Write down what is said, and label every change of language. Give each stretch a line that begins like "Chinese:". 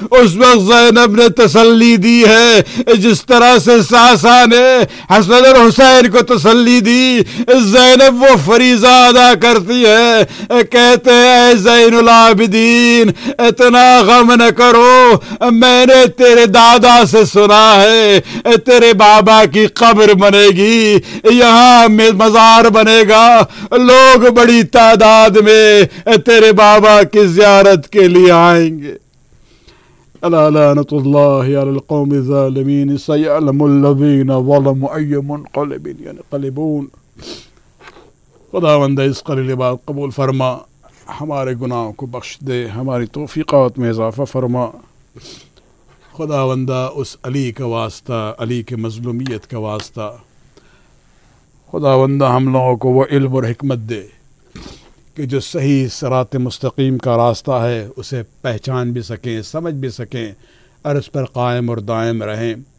Hindi: उस वक्त ज़ैनब ने तसल्ली दी है जिस तरह से सासा ने हसन हुसैन को तसल्ली दी, ज़ैनब वो फरीजा अदा करती है, कहते हैं ज़ैनुल आबिदीन इतना गम न करो, मैंने तेरे दादा से सुना है तेरे बाबा की कब्र बनेगी, यहां मजार बनेगा, लोग बड़ी तादाद में तेरे बाबा की जियारत के लिए आएंगे।
Arabic: अलानतुल्लाह अला القوم الظالمين سيعلم الذين ظلموا اي منقلب ينقلبون।
Hindi: खुदा बंदे इस करीले बात कबूल फरमा, हमारे गुनाहों को बख्श दे, हमारी तौफीकात में इजाफा फरमा। खुदावंदा उस अली का वास्ता, अली के मज़लूमियत का वास्ता, खुदावंदा हम लोगों को वो इल्म और हिकमत दे कि जो सही सिरात मुस्तकीम का रास्ता है उसे पहचान भी सकें, समझ भी सकें, और उस पर कायम और दायम रहें।